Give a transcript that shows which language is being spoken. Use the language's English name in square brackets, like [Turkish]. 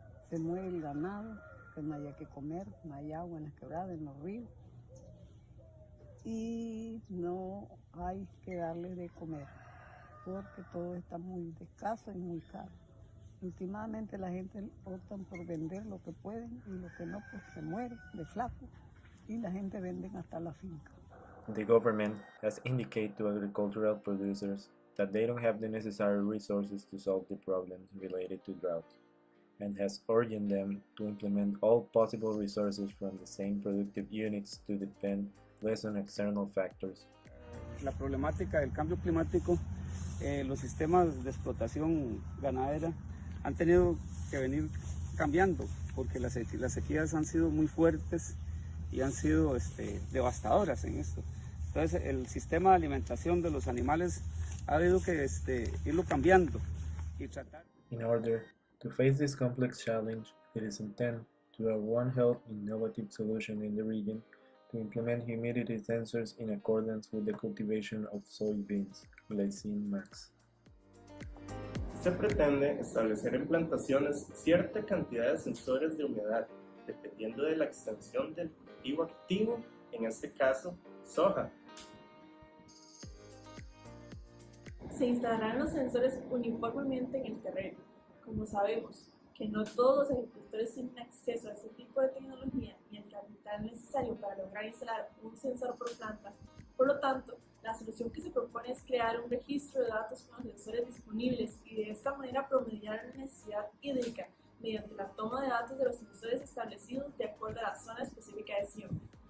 [Spanish] Se muere el ganado, que no haya que comer, no hay agua en las quebradas, en los ríos. Y no hay que darle de comer, porque todo está muy escaso y muy caro. Últimamente la gente opta por vender lo que pueden y lo que no, pues se muere de flaco. [English] The government has indicated to agricultural producers that they don't have the necessary resources to solve the problems related to drought, and has urged them to implement all possible resources from the same productive units to depend less on external factors. [Spanish] La problemática del cambio climático, los sistemas de explotación ganadera han tenido que venir cambiando porque las sequías han sido muy fuertes. Y han sido devastadoras en esto. Entonces, el sistema de alimentación de los animales ha habido que irlo cambiando y tratar. [English] In order to face this complex challenge, it is intended to have One Health innovative solution in the region to implement humidity sensors in accordance with the cultivation of soybeans, Glycine Max. [Spanish] Se pretende establecer en plantaciones cierta cantidad de sensores de humedad, dependiendo de la extensión del cultivo activo, en este caso, soja. Se instalarán los sensores uniformemente en el terreno. Como sabemos que no todos los agricultores tienen acceso a ese tipo de tecnología ni el capital necesario para lograr instalar un sensor por planta, por lo tanto, la solución que se propone es crear un registro de datos con los sensores disponibles y de esta manera promediar la necesidad hídrica mediante la toma de datos de los sensores establecidos de acuerdo a la zona específica de siembra.